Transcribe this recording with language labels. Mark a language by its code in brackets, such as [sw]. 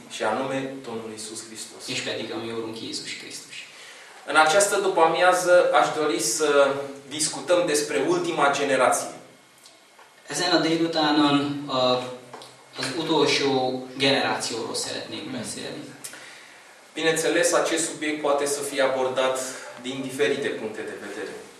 [ro] Și anume Domnul Iisus Hristos. [hu] És pedig a mi Úrunk Jézus Krisztus. [ro] În această după-amiază aș dori să discutăm despre ultima generație. [hu] Ezen a délutánon az utolsó generációról szeretnék beszélni. [ro] Bineînțeles, acest subiect poate să fie abordat din diferite puncte de vedere.